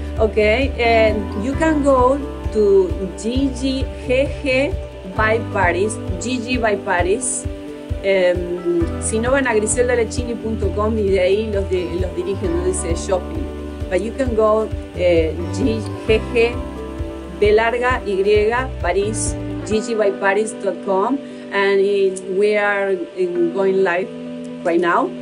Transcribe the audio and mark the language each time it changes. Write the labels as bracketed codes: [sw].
[en] Okay, and you can go to GG by Paris. [es] Si no van a griseldalecini.com y de ahí los dirigen donde dice shopping. [en] But you can go GG de larga Y Paris, GGbyParis.com, and we are going live right now.